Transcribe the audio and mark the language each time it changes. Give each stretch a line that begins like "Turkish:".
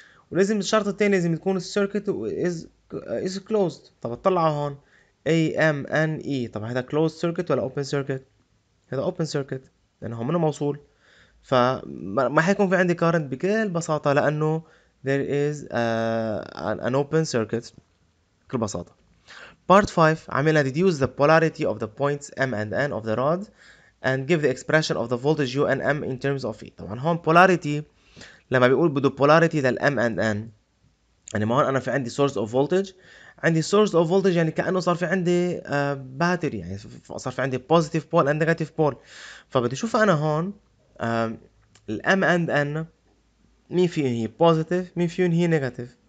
Arabic: ولازم الشرط الثاني لازم تكون السيركت از كلوزد. طب اطلعوا هون اي ام ان اي، طب هذا كلوز سيركت ولا اوبن سيركت؟ هذا اوبن سيركت لانه هو منه موصول، فما حيكون في عندي كارنت بكل بساطه لانه
English: there is an open circuit.
Arabic: بكل بساطة.
English: Part 5 عملنا deduce the polarity of the points M and N of the rod and give the expression of the voltage U and M in terms of E.
Arabic: طبعا هون polarity لما بيقول بده polarity لل M and N، يعني ما هون أنا في عندي
English: source of voltage،
Arabic: عندي source of voltage يعني كأنه صار في عندي battery، يعني صار في عندي
English: positive pole and negative pole.
Arabic: فبدي أشوف أنا هون ال M and N مين فيهم هي positive مين فيهم هي negative.